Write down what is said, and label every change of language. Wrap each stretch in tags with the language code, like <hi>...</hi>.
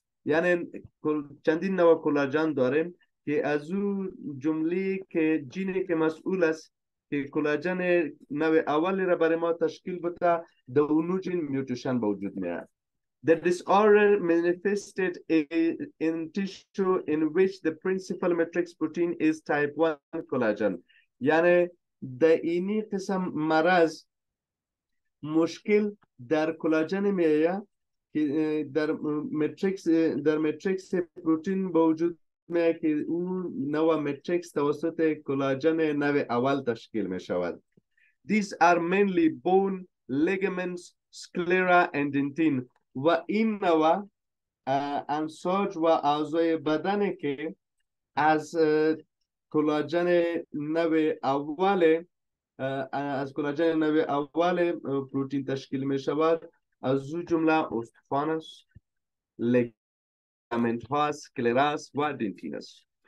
<fa>یعنی چندین نوع کلاژن داریم که از او جمله که جینی که مسئول است که کلاژن نوع اولی را برای ما تشکیل بده در اونو جین میوتیشن با وجود میاد.</fa> <en>The disorder manifested in tissue in which the principal matrix protein is type 1 collagen.</en> <fa>یعنی در اینی قسم مرض مشکل در کلاژن میاد که در متریکس پروتین با وجود میه که اون نوع متریکس توسط کلاژن نوع اول تشکیل می شود.</fa> <en>These are mainly bone, ligaments, sclera and dentin.</en> <fa>و این نوع انساج و اعضای بدن که از کلاژن نوع اول پروتین تشکیل می شود از او جمله استخوان است، ligaments, sclera و dentinus.</fa>